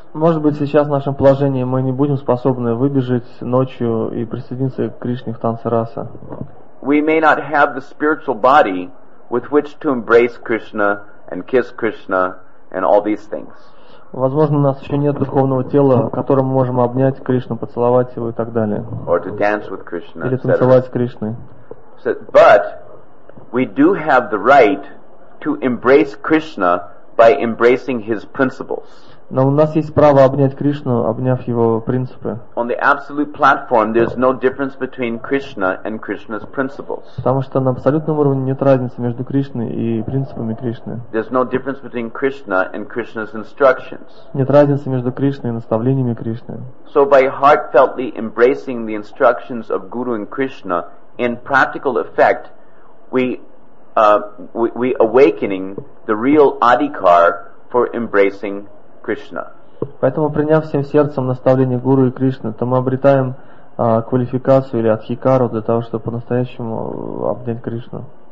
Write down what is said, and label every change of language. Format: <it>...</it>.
<ru>Может быть, сейчас в нашем положении мы не будем способны выбежать ночью и присоединиться к Кришне в танце раса.</ru> <en>We may not have the spiritual body with which to embrace Krishna and kiss Krishna and all these things.</en> <ru>Возможно, у нас еще нет духовного тела, которым мы можем обнять Кришну, поцеловать его и так далее.</ru> <en>Or to dance with Krishna.</en> <ru>Или танцевать с Кришной.</ru> <en>So, but we do have the right to embrace Krishna by embracing his principles.</en> <ru>Но у нас есть право обнять Кришну, обняв его принципы.</ru> <en>On the absolute platform, there's no difference between Krishna and Krishna's principles.</en> <ru>Потому что на абсолютном уровне нет разницы между Кришной и принципами Кришны.</ru> <en>There's no difference between Krishna and Krishna's instructions.</en> <ru>Нет разницы между Кришной и наставлениями Кришны.</ru> <en>So by heartfeltly embracing the instructions of Guru and Krishna, in practical effect, we awakening the real adhikar for embracing Krishna.</en> <ru>Поэтому приняв всем сердцем наставление Гуру и Кришны, то мы обретаем квалификацию или адхикару для того, чтобы по-настоящему обнять Кришну.</ru>